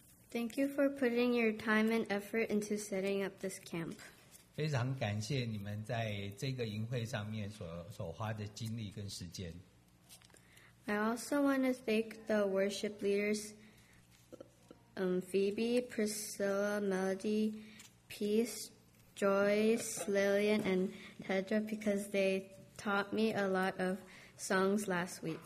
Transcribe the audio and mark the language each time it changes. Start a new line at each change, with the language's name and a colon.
English: Thank you for putting your time and effort into setting up this camp.
Chinese: 非常感谢你们在这个营会上面所花的精力跟时间。
English: I also want to thank the worship leaders, Phoebe, Priscilla, Melody, Peace, Joyce, Lillian, and Tedra because they taught me a lot of songs last week.